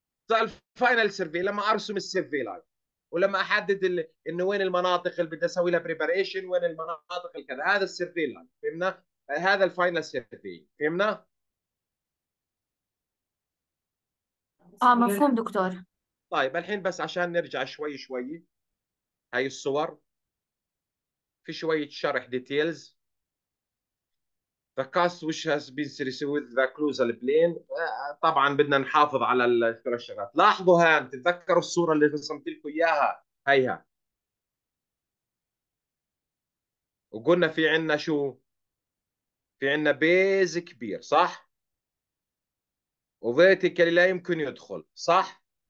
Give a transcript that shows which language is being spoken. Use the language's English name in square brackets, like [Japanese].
[Arabic] الفاينل سيرفي، لما ارسم السيرفي لاين ولما احدد انه وين المناطق اللي بدي اسوي لها بريباريشن، وين المناطق الكذا، هذا السيرفي لاين فهمنا، هذا الفاينل سيرفي فهمنا. مفهوم دكتور. طيب الحين بس عشان نرجع شوي شوي، هاي الصور في شويه شرح ديتيلز. [English] The cast which has been received with the occlusal plane. [Arabic] طبعا بدنا نحافظ على الثلاثات. لاحظوا هان، تتذكروا الصوره اللي رسمت لكم اياها هيها، وقلنا في عندنا شو؟ في عندنا بيز كبير صح؟ وفيرتيكال لا يمكن يدخل صح؟